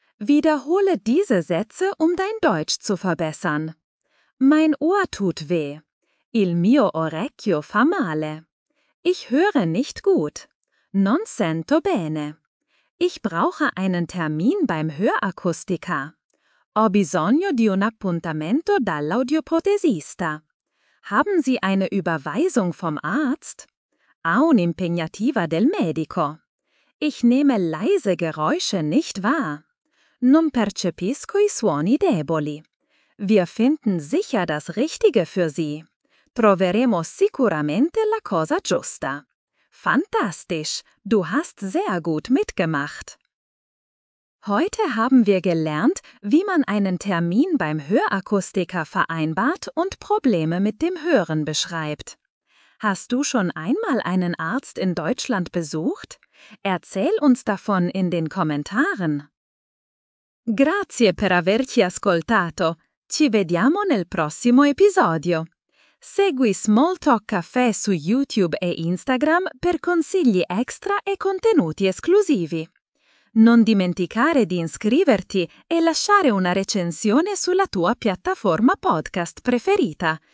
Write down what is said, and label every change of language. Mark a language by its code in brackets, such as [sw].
[de] Wiederhole diese Sätze, um dein Deutsch zu verbessern. Mein Ohr tut weh. [it] Il mio orecchio fa male. [de] Ich höre nicht gut. [it] Non sento bene. [de] Ich brauche einen Termin beim Hörakustiker. [it] Ho bisogno di un appuntamento dall'audioprotesista. [de] Haben Sie eine Überweisung vom Arzt? [it] Ha un'impegnativa del medico. [de] Ich nehme leise Geräusche nicht wahr. [it] Non percepisco i suoni deboli. [de] Wir finden sicher das Richtige für Sie. [it] Troveremo sicuramente la cosa giusta. [de] Fantastisch, du hast sehr gut mitgemacht. Heute haben wir gelernt, wie man einen Termin beim Hörakustiker vereinbart und Probleme mit dem Hören beschreibt. Hast du schon einmal einen Arzt in Deutschland besucht? Erzähl uns davon in den Kommentaren. [it] Grazie per averci ascoltato. Ci vediamo nel prossimo episodio. Segui Small Talk Café su YouTube e Instagram per consigli extra e contenuti esclusivi. Non dimenticare di iscriverti e lasciare una recensione sulla tua piattaforma podcast preferita.